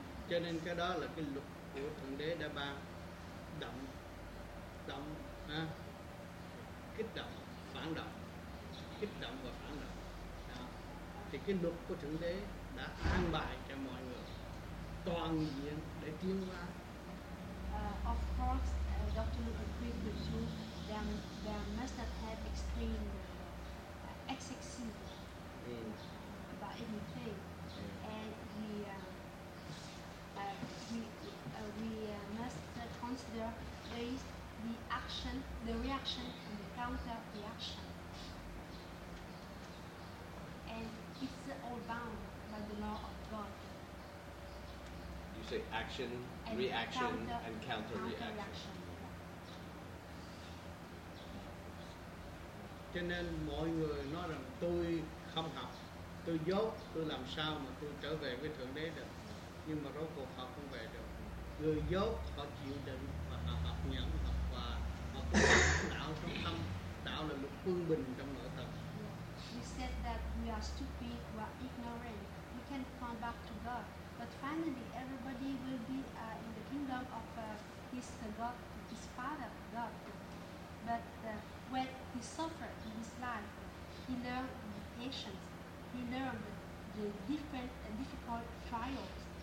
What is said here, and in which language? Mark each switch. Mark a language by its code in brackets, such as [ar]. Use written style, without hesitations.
[vi] Cho nên cái đó là cái luật của Thượng Đế đã ban, động, động, ha? Kích động, phản động, kích động và phản động. Đó. Thì cái luật của Thượng Đế đã an bài cho mọi người toàn diện để tiến hóa. [en] Of course, Dr. Luke agreed with you. There must have extreme excessive about anything, and we must consider based the action, the reaction, and the counter reaction, and it's all bound by the law of God. You say action, and reaction, counter, and counter-reaction. [vi] Cho nên mọi người nói rằng tôi không học, tôi dốt, tôi làm sao mà tôi trở về với Thượng Đế được. Nhưng mà rốt cuộc họ không về được. Người dốt họ chịu đựng và họ học nhẫn, học hòa, họ tạo trong tâm, tạo là một phương bình trong nội tâm. [en] You said that we are stupid, we are ignorant, we can't come back to God. But finally everybody will be in the kingdom of his God, his Father God. But when he suffered in his life, he learned the patience, he learned the different and difficult trials.